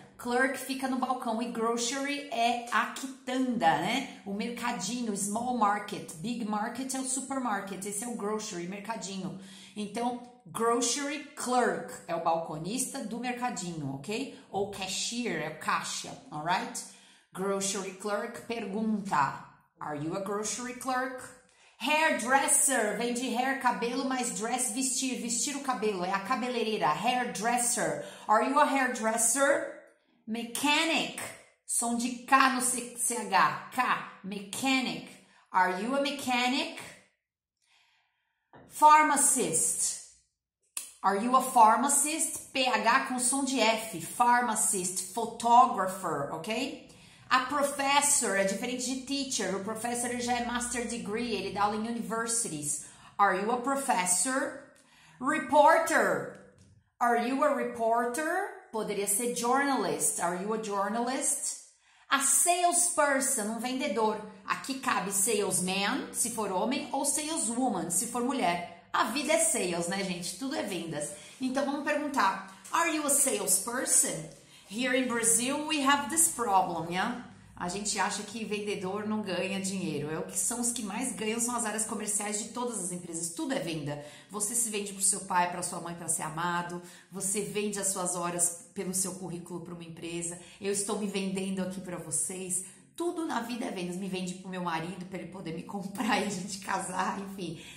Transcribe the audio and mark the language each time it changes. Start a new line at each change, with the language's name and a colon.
Portuguese: Clerk fica no balcão e grocery é a quitanda, né? O mercadinho, small market. Big market é o supermarket. Esse é o grocery, mercadinho. Então, grocery clerk é o balconista do mercadinho, ok? Ou cashier é o caixa, alright?
English: Grocery clerk pergunta, are you a grocery clerk?
Portuguese: Hairdresser, vem de hair, cabelo, mais dress, vestir, vestir o cabelo, é a cabeleireira, hairdresser.
English: Are you a hairdresser? Mechanic,
Portuguese: som de K no CH,
English: K, mechanic. Are you a mechanic? Pharmacist, are you a pharmacist?
Portuguese: PH com som de F, pharmacist, photographer, ok? A professor, é diferente de teacher, o professor já é master degree, ele dá aula em universities.
English: Are you a professor? Reporter, are you a reporter?
Portuguese: Poderia ser journalist,
English: are you a journalist?
Portuguese: A salesperson, um vendedor, aqui cabe salesman, se for homem, ou saleswoman, se for mulher. A vida é sales, né gente, tudo é vendas. Então vamos perguntar,
English: are you a salesperson? Here in Brazil, we have this problem, yeah?
Portuguese: A gente acha que vendedor não ganha dinheiro. É o que são os que mais ganham, são as áreas comerciais de todas as empresas. Tudo é venda. Você se vende para o seu pai, para sua mãe, para ser amado. Você vende as suas horas pelo seu currículo para uma empresa. Eu estou me vendendo aqui para vocês. Tudo na vida é vendas. Me vende para o meu marido, para ele poder me comprar e a gente casar, enfim.